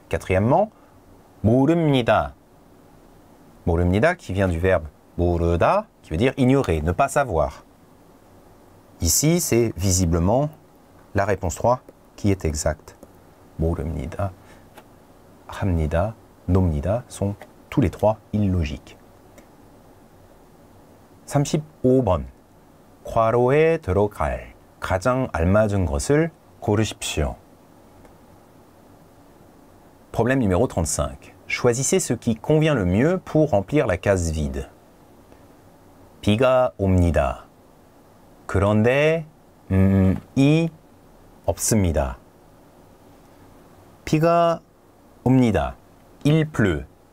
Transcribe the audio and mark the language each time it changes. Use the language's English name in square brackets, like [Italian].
[French] Quatrièmement, 모릅니다. 모릅니다, qui vient du verbe 모르다, qui veut dire ignorer, ne pas savoir. Ici, c'est visiblement la réponse 3 qui est exacte. 모릅니다, 합니다, 놉니다 sont tous les trois illogiques. [Korean] 35번, 과로에 들어갈 가장 알맞은 것을 고르십시오. [French] Problème numéro 35. Choisissez ce qui convient le mieux pour remplir la case vide. [Korean] 비가 옵니다. 그런데 이 없습니다. 비가 옵니다. [French] Il pleut.